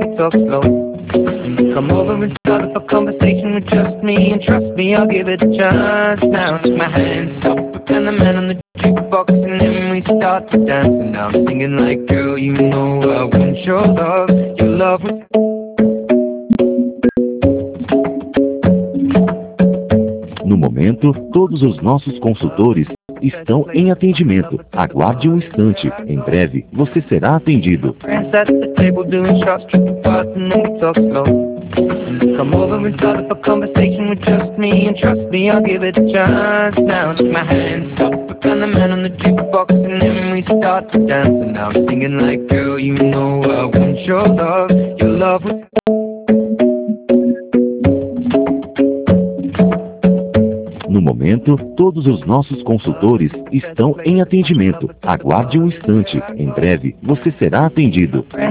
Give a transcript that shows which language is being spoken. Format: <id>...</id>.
<en>Come over and start up a conversation with just me, and trust me, I'll give it a chance. Now my hands up upon the man on the jukebox, and then we start to dance. And now I'm singing like, girl, you know I want your love was.</en> <pt>No momento, todos os nossos consultores estão em atendimento. Aguarde um instante. Em breve, você será atendido.</pt> <en>Come over and start up a conversation with just me, and trust me, I'll give it a chance. Now my hands up upon the man on the jukebox, and then we start to dance. And now I'm singing like, girl, you know I want your love was.</en> <pt>No momento, todos os nossos consultores estão em atendimento. Aguarde um instante. Em breve, você será atendido.</pt>